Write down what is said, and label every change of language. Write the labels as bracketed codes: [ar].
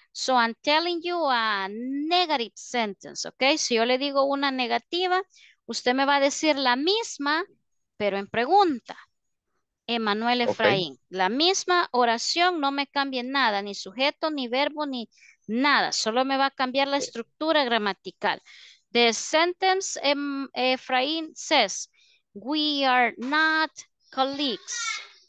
[en] So I'm telling you a negative sentence, okay? [es] Si yo le digo una negativa, usted me va a decir la misma, pero en pregunta. Emmanuel Efraín, okay. La misma oración, no me cambie nada, ni sujeto, ni verbo, ni nada. Solo me va a cambiar la estructura gramatical. [en] The sentence Efraín says, we are not colleagues.